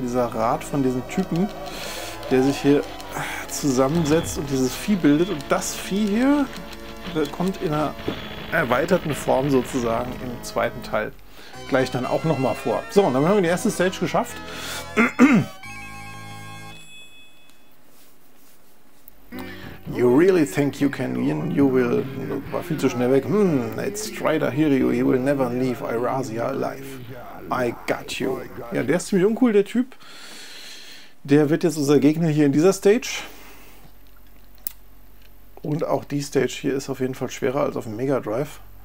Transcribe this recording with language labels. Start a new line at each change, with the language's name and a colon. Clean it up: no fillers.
German: Dieser Rat von diesem Typen, der sich hier zusammensetzt und dieses Vieh bildet. Und das Vieh hier kommt in einer erweiterten Form sozusagen im zweiten Teil gleich dann auch nochmal vor. So, und dann haben wir die erste Stage geschafft.
English: You really think you can win? You will...
German: War viel zu schnell weg.
English: It's Strider, hear you. He will never leave Eirasia alive. I got you.
German: Ja, der ist ziemlich uncool, der Typ. Der wird jetzt unser Gegner hier in dieser Stage. Und auch die Stage hier ist auf jeden Fall schwerer als auf dem Mega Drive.